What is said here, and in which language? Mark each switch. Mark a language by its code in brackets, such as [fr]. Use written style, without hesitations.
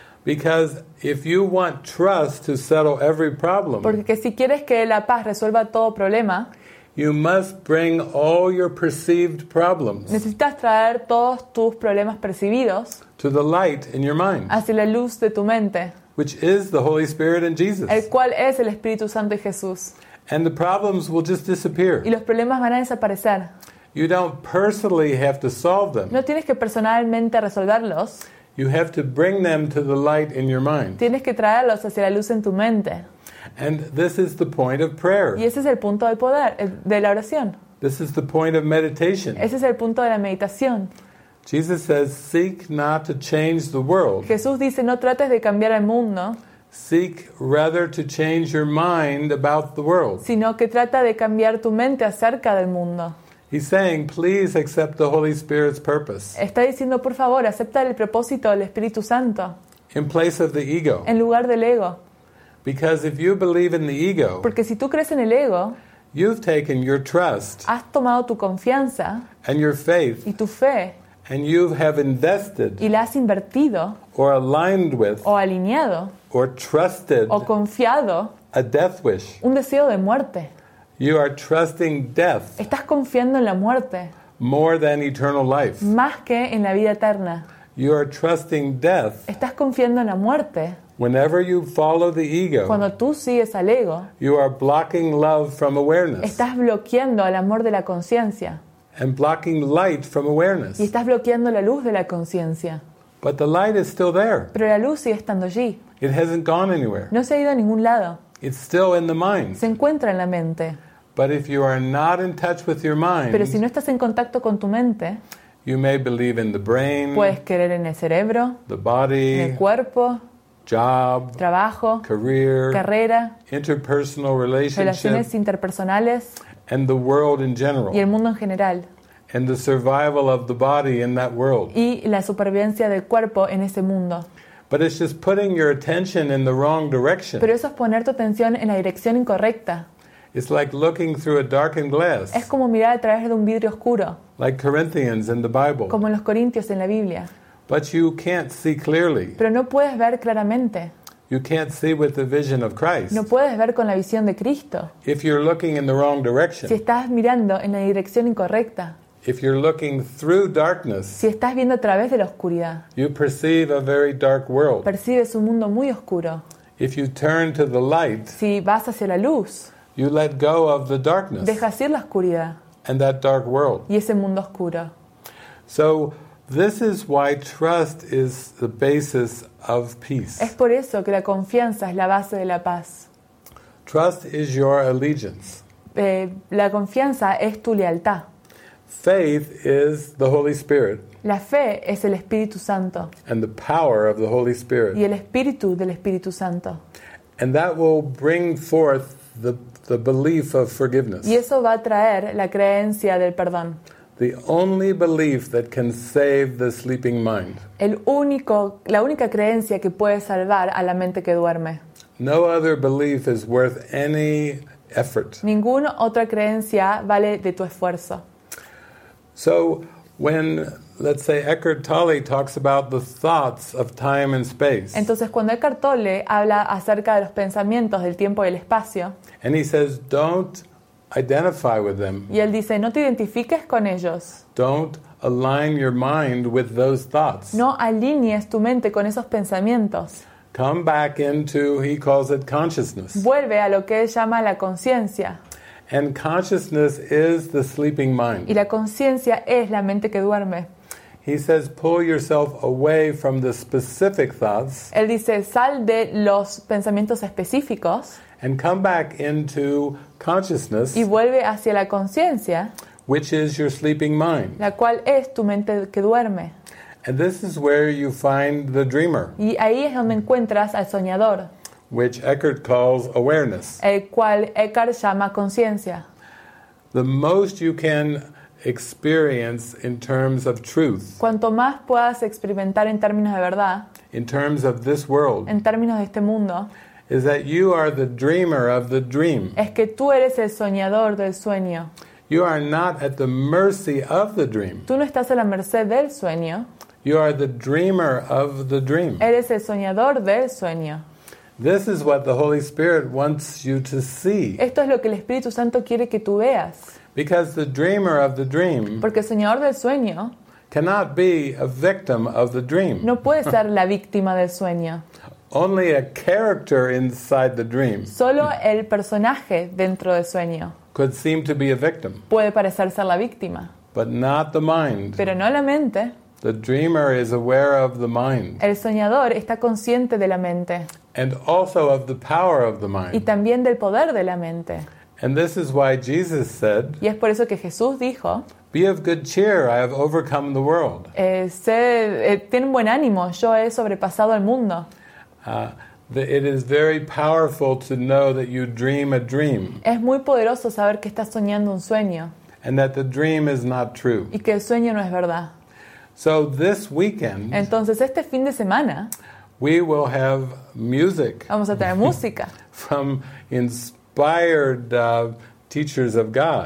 [en] Because if you want trust to settle every problem, [es] porque si quieres que la paz resuelva todo problema, [en] you must bring all your perceived problems, [es] necesitas traer todos tus problemas percibidos, [en] to the light in your mind, [es] hacia la luz de tu mente, [en] which is the Holy Spirit and Jesus, [es] el cual es el Espíritu Santo y Jesús, [en] and the problems will just disappear, [es] y los problemas van a desaparecer. [en] You don't personally have to solve them. [es] No tienes que personalmente resolverlos. [en] You have to bring them to the light in your mind. [es] Tienes que traerlos hacia la luz en tu mente. [en] And this is the point of prayer. [es] Y ese es el punto del poder, de la oración. [en] This is the point of meditation. [es] Ese es el punto de la meditación. [en] Jesus says, seek not to change the world. [es] Jesús dice, no trates de cambiar el mundo. [en] Seek rather to change your mind about the world. [es] Sino que trata de cambiar tu mente acerca del mundo. [en] He's saying, please accept the Holy Spirit's purpose. [es] Está diciendo, por favor, acepta el propósito del Espíritu Santo. [en] In place of the ego. [es] En lugar del ego. [en] Because if you believe in the ego, [es] porque si tú crees en el ego, [en] you've taken your trust, [es] has tomado tu confianza, [en] and your faith, [es] y tu fe, [en] and you have invested, [es] y la has invertido, [en] or aligned with, [es] o alineado, [en] or trusted, [es] o confiado, [en] a death wish, [es] un deseo de muerte. [en] You are trusting death. [es] Estás confiando en la muerte. [en] More than eternal life. [es] Más que en la vida eterna. [en] You are trusting death. [es] Estás confiando en la muerte. [en] Whenever you follow the ego. [es] Cuando tú sigues al ego. [en] You are blocking love from awareness. [es] Estás bloqueando al amor de la conciencia. [en] And blocking light from awareness. [es] Y estás bloqueando la luz de la conciencia. [en] But the light is still there. [es] Pero la luz sigue estando allí. [en] It hasn't gone anywhere. [es] No se ha ido a ningún lado. [en] It's still in the mind. [es] Se encuentra en la mente. [en] But if you are not in touch with your mind, [es] pero si no estás en contacto con tu mente, [en] you may believe in the brain, [es] puedes creer en el cerebro, [en] the body, [es] en el cuerpo, [en] job, [es] trabajo, [en] career, [es] carrera, [en] interpersonal relationships, [es] relaciones interpersonales, [en] and the world in general, [es] y el mundo en general, [en] and the survival of the body in that world, [es] y la supervivencia del cuerpo en ese mundo. [en] But it's just putting your attention in the wrong direction. [es] Pero eso es poner tu atención en la dirección incorrecta. [en] It's like looking through a darkened glass. [es] Es como mirar a través de un vidrio oscuro. [en] Like Corinthians in the Bible. [es] Como los corintios en la Biblia. [en] But you can't see clearly. [es] Pero no puedes ver claramente. [en] You can't see with the vision of Christ. [es] No puedes ver con la visión de Cristo. [en] If you're looking in the wrong direction. [es] Si estás mirando en la dirección incorrecta. [en] If you're looking through darkness, [es] si estás viendo a través de la oscuridad, [en] you perceive a very dark world. [es] Percibes un mundo muy oscuro. [en] If you turn to the light, [es] si vas hacia la luz, [en] you let go of the darkness, [es] dejas ir la oscuridad, [en] and that dark world, [es] y ese mundo oscuro. [en] So this is why trust is the basis of peace. [es] Es por eso que la confianza es la base de la paz. [en] Trust is your allegiance. [es] La confianza es tu lealtad. [en] Faith is the Holy Spirit. [es] La fe es el Espíritu Santo. [en] And the power of the Holy Spirit. [es] Y el espíritu del Espíritu Santo. [en] And that will bring forth the belief of forgiveness. [es] Y eso va a traer la creencia del perdón. [en] The only belief that can save the sleeping mind. [es] La única creencia que puede salvar a la mente que duerme. [en] No other belief is worth any effort. [es] Ninguna otra creencia vale de tu esfuerzo. [en] So when let's say Eckhart Tolle talks about the thoughts of time and space. [es] Entonces, cuando Eckhart Tolle habla acerca de los pensamientos del tiempo y el espacio, [en] and he says, don't identify with them. [es] Y él dice, no te identifiques con ellos. [en] Don't align your mind with those thoughts. [es] No alinees tu mente con esos pensamientos. [en] Come back into, he calls it consciousness. [es] Vuelve a lo que él llama la conciencia. [en] And consciousness is the sleeping mind. [es] Y la conciencia es la mente que duerme. [en] He says, pull yourself away from the specific thoughts. [es] Él dice, sal de los pensamientos específicos. [en] And come back into consciousness. [es] Y vuelve hacia la conciencia. [en] Which is your sleeping mind. [es] La cual es tu mente que duerme. [en] And this is where you find the dreamer. [es] Y ahí es donde encuentras al soñador. [en] Which Eckhart calls awareness. [es] El cual Eckhart llama conciencia. [en] The most you can experience in terms of truth. [es] Cuanto más puedas experimentar en términos de verdad. [en] In terms of this world. [es] En términos de este mundo. [en] Is that you are the dreamer of the dream. [es] Es que tú eres el soñador del sueño. [en] You are not at the mercy of the dream. [es] Tú no estás a la merced del sueño. [en] You are the dreamer of the dream. [es] Eres el soñador del sueño. [en] This is what the Holy Spirit wants you to see. [es] Esto es lo que el Espíritu Santo quiere que tú veas. [en] Because the dreamer of the dream. [es] Porque el soñador del sueño. [en] Cannot be a victim of the dream. [es] No puede ser la víctima del sueño. [en] Only a character inside the dream. [es] Solo el personaje dentro del sueño. [en] Could seem to be a victim. [es] Puede parecer ser la víctima. [en] But not the mind. [es] Pero no la mente. [en] The dreamer is aware of the mind. [es] El soñador está consciente de la mente. [en] And also of the power of the mind. [es] Y también del poder de la mente. [en] And this is why Jesus said. [es] Y es por eso que Jesús dijo. [en] Be of good cheer, I have overcome the world. [es] Ten buen ánimo, yo he sobrepasado al mundo. [en] It is very powerful to know that you dream a dream. [es] Es muy poderoso saber que estás soñando un sueño. [en] And that the dream is not true. [es] Y que el sueño no es verdad. [en] So this weekend. [es] Entonces este fin de semana. [en] We will have music. [es] Vamos a tener música. [en] From inspired teachers of God.